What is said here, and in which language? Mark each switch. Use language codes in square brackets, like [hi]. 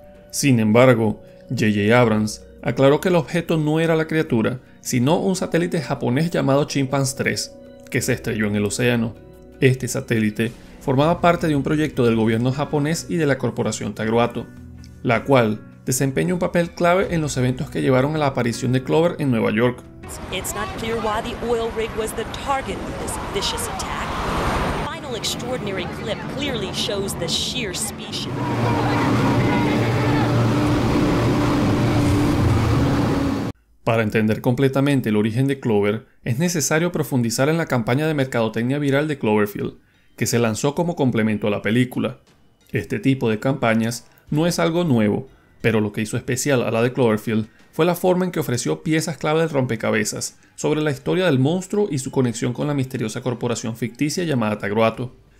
[es] Sin embargo, J.J. Abrams aclaró que el objeto no era la criatura, sino un satélite japonés llamado Chimpanzee 3, que se estrelló en el océano. Este satélite formaba parte de un proyecto del gobierno japonés y de la corporación Tagruato, la cual desempeña un papel clave en los eventos que llevaron a la aparición de Clover en Nueva York. [en] It's not clear why the oil rig was the target of this vicious attack. The final extraordinary clip clearly shows the sheer species. [es] Para entender completamente el origen de Clover, es necesario profundizar en la campaña de mercadotecnia viral de Cloverfield, que se lanzó como complemento a la película. Este tipo de campañas no es algo nuevo, pero lo que hizo especial a la de Cloverfield fue la forma en que ofreció piezas clave del rompecabezas sobre la historia del monstruo y su conexión con la misteriosa corporación ficticia llamada Tagruato.